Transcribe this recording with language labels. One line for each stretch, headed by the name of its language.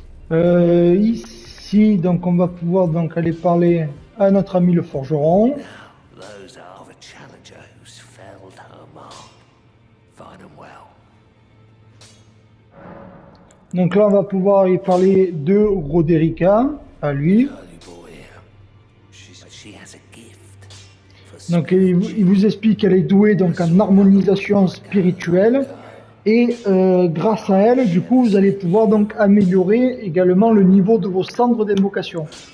French: Ici, donc, on va pouvoir donc aller parler à notre ami le forgeron.
English: Those are the challenger who's felled her mark. Find them well.
French: Donc là, on va pouvoir y parler de Roderica, à lui. Donc il vous explique qu'elle est douée donc en harmonisation spirituelle et grâce à elle du coup vous allez pouvoir donc améliorer également le niveau de vos cendres d'invocation.